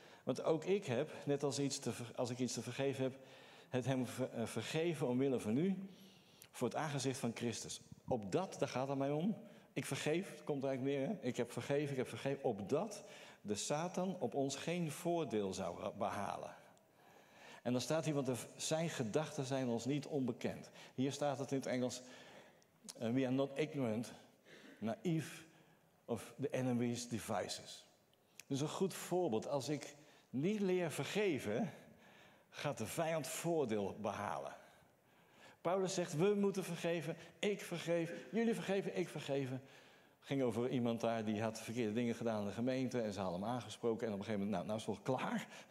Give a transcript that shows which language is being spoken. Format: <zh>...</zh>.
<nl>Want ook ik heb, net als ik iets te vergeven heb, het hem vergeven omwille van u, voor het aangezicht van Christus. Op dat, daar gaat het mij om. Ik vergeef, het komt eigenlijk meer. Hè? Ik heb vergeven. Op dat de Satan op ons geen voordeel zou behalen. En dan staat hier, want zijn gedachten zijn ons niet onbekend. Hier staat het in het Engels.</nl> <en>We are not ignorant, naïef of the enemy's devices.</en> <nl>Dus een goed voorbeeld. Als ik niet leer vergeven, gaat de vijand voordeel behalen. Paulus zegt, we moeten vergeven, ik vergeef, jullie vergeven, ik vergeven. Ging over iemand daar, die had verkeerde dingen gedaan in de gemeente en ze hadden hem aangesproken. En op een gegeven moment, nou is het klaar.</nl>